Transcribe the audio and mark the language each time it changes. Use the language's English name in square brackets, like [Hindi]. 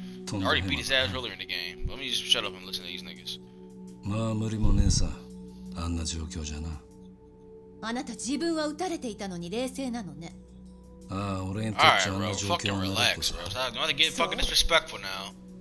[English] I already beat his ass earlier in the game. Let me just shut up and listen to these niggas. [Japanese] まあ無理もねえさ。あんな状況じゃな。あなた自分は撃たれていたのに冷静なのね。 [English] Alright, bro. Fucking relax, bro. So, I don't want to get fucking disrespectful now.